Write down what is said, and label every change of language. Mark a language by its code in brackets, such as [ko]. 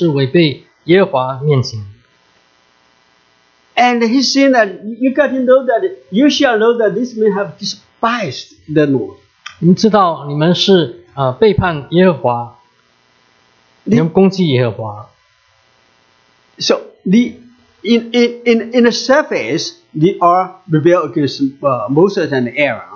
[zh] 他这里也跟他们说，将他们的眼目带到耶和华面前，说你不是要违背我，是违背耶和华面前。 [en] And he's saying that you got to know that you shall know that this man have despised the Lord. [zh] 你们知道你们是背叛耶和华，你们攻击耶和华。 [en] So the in the surface they are rebel against Moses and Aaron.